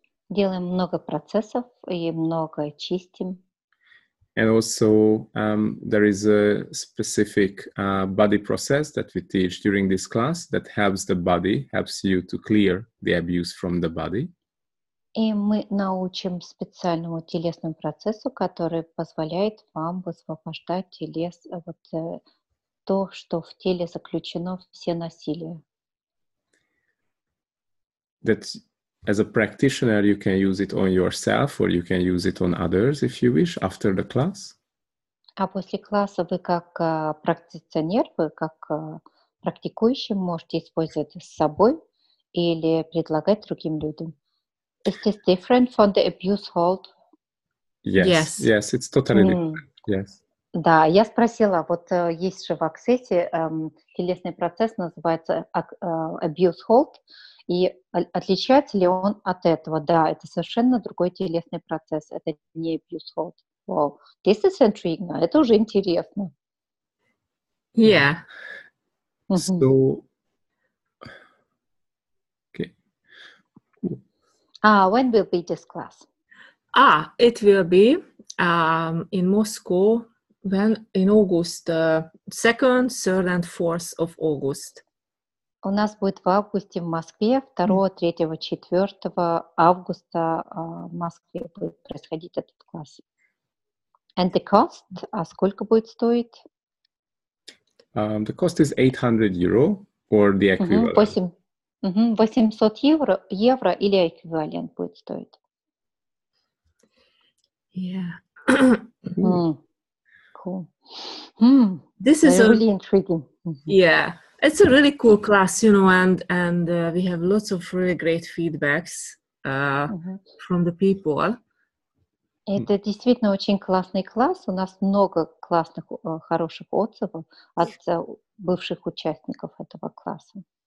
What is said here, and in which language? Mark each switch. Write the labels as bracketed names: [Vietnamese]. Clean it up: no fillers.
[Russian] Делаем много процессов и много чистим. [English] And also there is a specific body process that we teach during this class that helps the body, helps you to clear the abuse from the body. [Russian] И мы научим специальному телесному процессу, который позволяет вам высвобождать телес, вот то, что в теле заключено, все насилие. [English] That's as a practitioner, you can use it on yourself or you can use it on others if you wish after the class. [Russian] А после класса вы как практиционер, вы как практикующий можете использовать с собой или предлагать другим людям. [English] Is this different from the abuse hold? Yes, it's totally different. Yes. [Russian] Да, я спросила, вот есть же в аксессе телесный процесс, называется abuse hold, и отличается ли он от этого? Да, это совершенно другой телесный процесс, это не abuse hold. [English] Wow, this is intriguing. [Russian] Это уже интересно. [English] Yeah. So, okay. When will be this class? It will be in Moscow when in August, 2nd, 3rd and 4th of August. [Russian] У нас будет в августе в Москве, 2, 3, 4 августа в Москве будет происходить этот класс. [English] And the cost? [Russian] А сколько будет стоить? [English] The cost is 800 euro or the equivalent. [Russian] 800 евро или эквивалент будет стоить. [English] Yeah. Cool. This is really intriguing. Yeah. It's a really cool class, you know, and we have lots of really great feedbacks from the people. [Russian] Это действительно очень классный класс. У нас много классных, хороших отзывов от бывших участников этого класса.